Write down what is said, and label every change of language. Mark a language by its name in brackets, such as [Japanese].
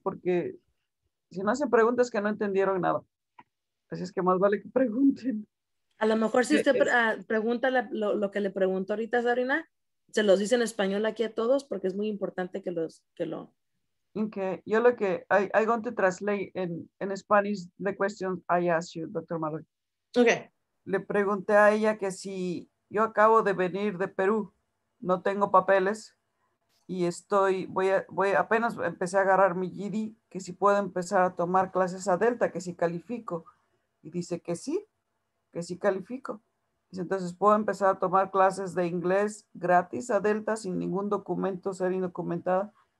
[Spanish] Porque si no hacen preguntas, que no entendieron nada. Así es que más vale que pregunten. A lo mejor si usted pregunta lo que le preguntó ahorita Sabrina, se los dice en español aquí a todos porque es muy importante que lo. [English] Okay, [Spanish] yo lo que [English] I want to translate in Spanish the question I asked you, Dr. Maloy. Okay. [Spanish] Le pregunté a ella que si yo acabo de venir de Perú, no tengo papeles y apenas empecé a agarrar mi GED, que si puedo empezar a tomar clases a Delta, que si califico. Y dice que sí califico. Entonces, ¿puedo empezar a tomar clases de inglés gratis a Delta sin ningún documento, ser indocumentada?